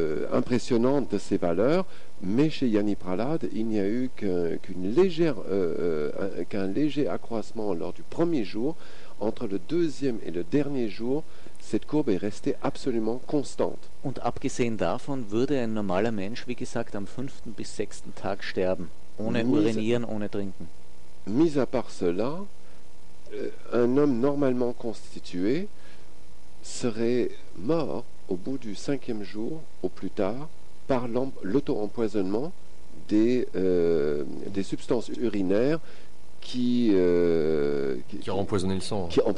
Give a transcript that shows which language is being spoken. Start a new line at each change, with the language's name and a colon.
French: impressionnante de ces valeurs, mais chez Yanni Pralad, il n'y a eu qu'un léger accroissement lors du premier jour. Entre le deuxième et le dernier jour, cette courbe est restée absolument constante.
German: Und abgesehen davon würde ein normaler Mensch, wie gesagt, am 5. bis 6. Tag sterben, ohne urinieren, ohne trinken.
French: Mis à part cela, un homme normalement constitué serait mort au bout du 5e jour, au plus tard, par l'auto-empoisonnement des substances urinaires qui ont empoisonné le sang.